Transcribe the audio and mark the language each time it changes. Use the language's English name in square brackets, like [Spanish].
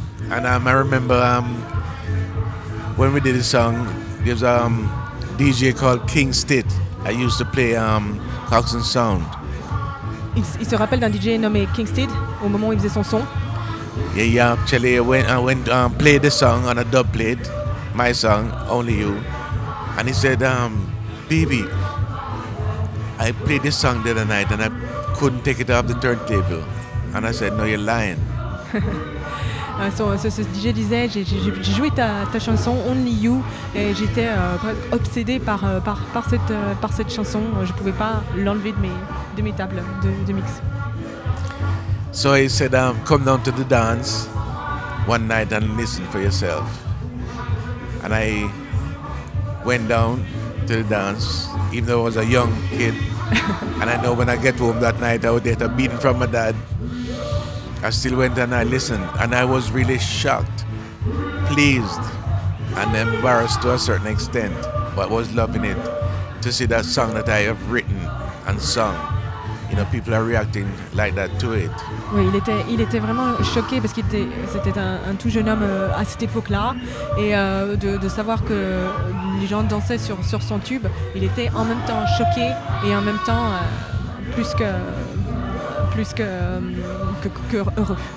[English] And I remember when we did the song, there was a DJ called King Stitt. I used to play Coxon Sound. [French] Il se rappelle d'un DJ nommé King Stitt au moment où il faisait son son. [English] Yeah, actually, I went played the song on a dub plate, my song, Only You. And he said, Bibi, I played this song the other night and I couldn't take it off the turntable. And I said, no, you're lying. [French] Ce DJ disait, j'ai joué ta chanson Only You et j'étais obsédé par cette chanson. Je pouvais pas l'enlever de mes tables de mix. [English] So he said, come down to the dance one night and listen for yourself. And I went down to the dance, even though I was a young kid. And I know when I get home that night, I would get a beating from my dad. I still went and I listened, and I was really shocked, pleased, and embarrassed to a certain extent, but was loving it to see that song that I have written and sung. You know, people are reacting like that to it. [French] Oui, il était vraiment choqué parce qu'il était, c'était un tout jeune homme à cette époque-là, et de savoir que les gens dansaient sur son tube, il était en même temps choqué et en même temps plus que heureux.